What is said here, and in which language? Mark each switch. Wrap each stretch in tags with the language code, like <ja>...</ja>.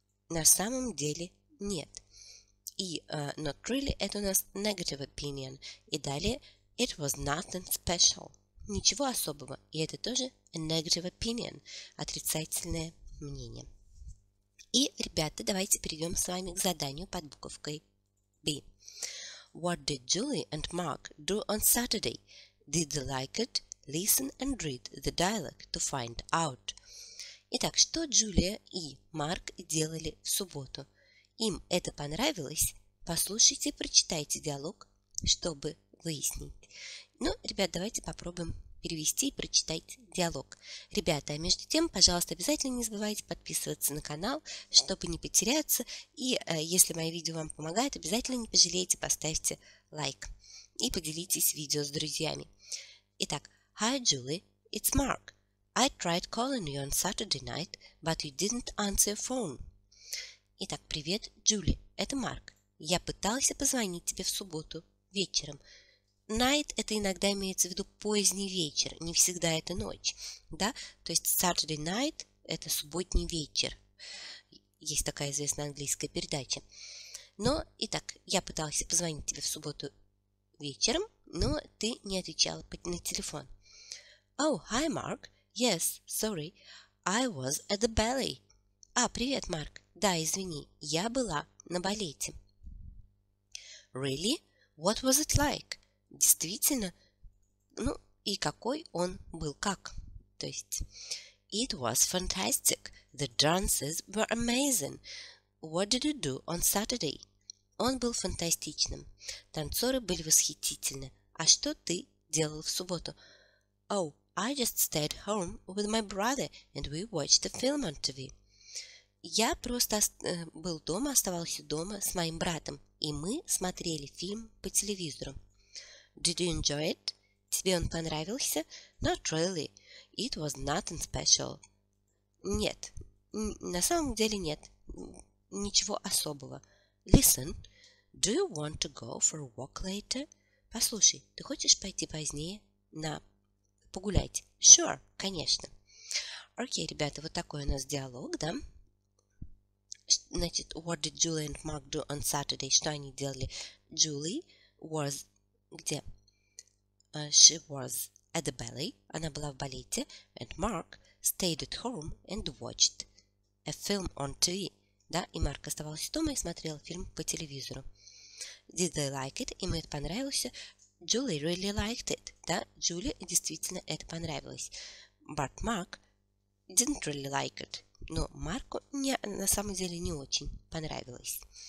<ru>На самом деле, нет. И</ru> <en>not really</en> <ru>– это у нас</ru> <en>negative opinion.</en> <ru>И далее,</ru> <en>it was nothing special.</en> <ru>Ничего особого. И это тоже</ru> <en>a negative opinion,</en> <ru>отрицательное мнение. И, ребята, давайте перейдем с вами к заданию под буковкой B.</ru> <en>What did Julie and Mark do on Saturday? Did they like it? Listen and read the dialogue to find out.</en> <ru>Итак, что Джулия и Марк делали в субботу? Им это понравилось? Послушайте и прочитайте диалог, чтобы выяснить. Ну, ребят, давайте попробуем перевести и прочитать диалог. Ребята, а между тем, пожалуйста, обязательно не забывайте подписываться на канал, чтобы не потеряться. И если мои видео вам помогают, обязательно не пожалеете, поставьте лайк. И поделитесь видео с друзьями. Итак,</ru> <en>Hi, Julie, it's Mark. I tried calling you on Saturday night, but you didn't answer your phone.</en> <ru>Итак, привет, Джули, это Марк. Я пытался позвонить тебе в субботу вечером. Night – это иногда имеется в виду поздний вечер, не всегда это ночь, да? То есть</ru> <en>Saturday night</en> <ru>– это субботний вечер. Есть такая известная английская передача. Но, итак, я пыталась позвонить тебе в субботу вечером, но ты не отвечала на телефон.</ru> <en>Oh, hi, Mark. Yes, sorry. I was at the ballet.</en> <ru>А, привет, Марк. Да, извини, я была на балете.</ru> <en>Really? What was it like?</en> <ru>Действительно, ну и какой он был, как, то есть.</ru> <en>It was fantastic. The dances were amazing. What did you do on Saturday?</en> <ru>Он был фантастичным. Танцоры были восхитительны. А что ты делал в субботу?</ru> <en>Oh, I just stayed home with my brother and we watched a film on TV.</en> <ru>Я просто был дома, оставался дома с моим братом, и мы смотрели фильм по телевизору.</ru> <en>Did you enjoy it?</en> <ru>Тебе он понравился?</ru> <en>Not really. It was nothing special.</en> <ru>Нет. На самом деле нет. Ничего особого.</ru> <en>Listen. Do you want to go for a walk later?</en> <ru>Послушай, ты хочешь пойти позднее на погулять?</ru> <en>Sure.</en> <ru>Конечно. Окей, ребята, вот такой у нас диалог, да? Значит,</ru> <en>what did Julie and Mark do on Saturday?</en> <ru>Что они делали?</ru> <en>Julie was...</en> <ru>Где?</ru> <en>She was at the ballet.</en> <ru>Она была в балете.</ru> <en>And Mark stayed at home and watched a film on TV.</en> <ru>Да, и Марк оставался дома и смотрел фильм по телевизору.</ru> <en>Did they like it?</en> <ru>Им это понравилось.</ru> <en>Julie really liked it.</en> <ru>Да, Джули действительно это понравилось.</ru> <en>But Mark didn't really like it.</en> <ru>Но Марку на самом деле не очень понравилось.</ru>